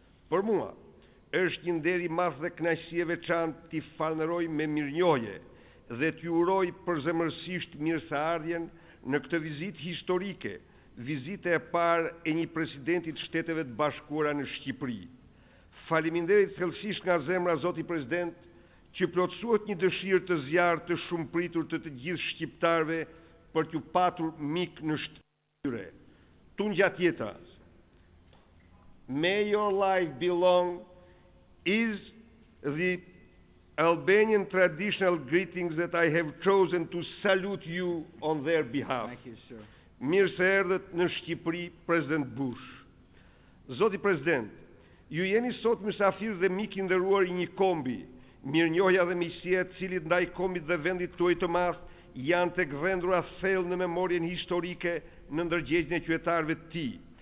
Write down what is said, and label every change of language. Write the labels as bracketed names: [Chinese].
[Albanian] Për mua, është një nder i madh dhe kënaqësi e veçantë t'i falënderoj me mirënjohje dhe t'ju uroj përzemërsisht mirëseardhjen në këtë vizitë historike, vizite e parë e një presidenti të Shteteve të Bashkuara në Shqipëri. Faleminderit thellësisht nga zemra, Zoti President, që plotësuat një dëshirë të zjarë të shumë pritur të të gjithë shqiptarve për t'ju patur mik në shtyre. Tungja tjetra, [English] may your life be long, is the Albanian traditional greetings that I have chosen to salute you on their behalf. Thank you, sir. [Albanian] Mirë se erdhët në Shqipëri, President Bush. Zoti President, ju jeni sot mysafir dhe mik i nderuar i një kombi, mirënjohja dhe miqësia e cilit ndaj kombit dhe vendit tuaj të madh janë tek vendrua thellë në memorien historike në ndërgjegjen e qytetarëve të tij.